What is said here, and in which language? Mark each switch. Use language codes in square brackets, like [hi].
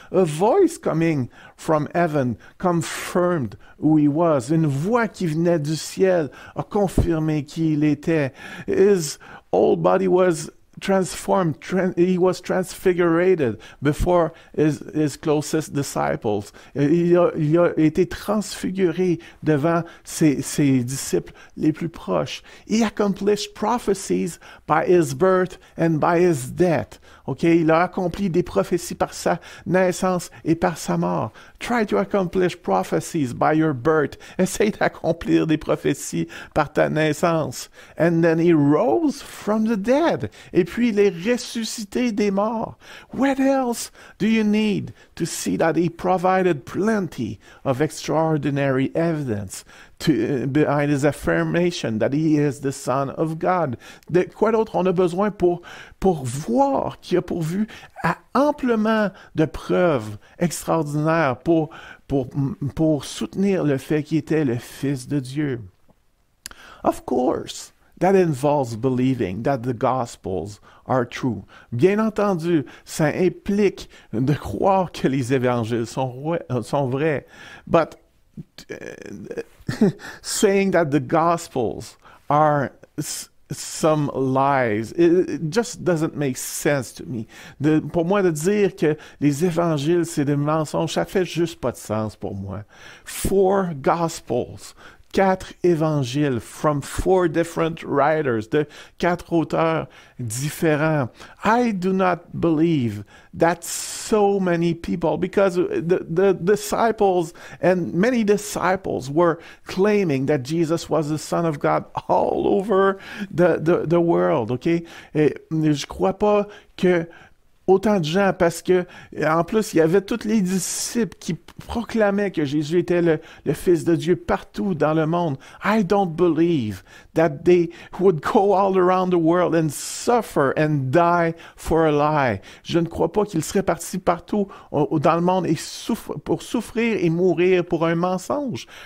[en] A voice coming from heaven confirmed who he was. [fr] Une voix qui venait du ciel a confirmé qui il était. [en] His old body was he was transfigured before his closest disciples. [fr] Il a été transfiguré devant ses disciples les plus proches. [en] He accomplished prophecies by his birth and by his death. [fr] Okay, il a accompli des prophéties par sa naissance et par sa mort. [en] Try to accomplish prophecies by your birth. [fr] Essaye d'accomplir des prophéties par ta naissance. [en] And then he rose from the dead. [fr] Et puis il est ressuscité des morts. [en] What else do you need to see that he provided plenty of extraordinary evidence behind his affirmation that he is the Son of God? [fr] De quoi d'autre on a besoin pour voir qu'il a pourvu à amplement de preuves extraordinaires pour soutenir le fait qu'il était le Fils de Dieu? [en] Of course, that involves believing that the Gospels are true. [fr] Bien entendu, ça implique de croire que les évangiles sont vrais. [en] But saying that the Gospels are some lies, it just doesn't make sense to me. [fr] Pour moi, de dire que les évangiles, c'est des mensonges, ça fait juste pas de sens pour moi. [en] Four Gospels [fr] quatre évangiles [en] from four different writers, [fr] de quatre auteurs différents. [en] I do not believe that so many people, because the disciples and many disciples were claiming that Jesus was the Son of God all over the world, okay? [fr] Et je crois pas que autant de gens, parce que en plus, il y avait tous les disciples qui proclamaient que Jésus était le Fils de Dieu partout dans le monde. [en] I don't believe that they would go all around the world and suffer and die for a lie. [fr] Je ne crois pas qu'ils seraient partis partout dans le monde et souffrir et mourir pour un mensonge.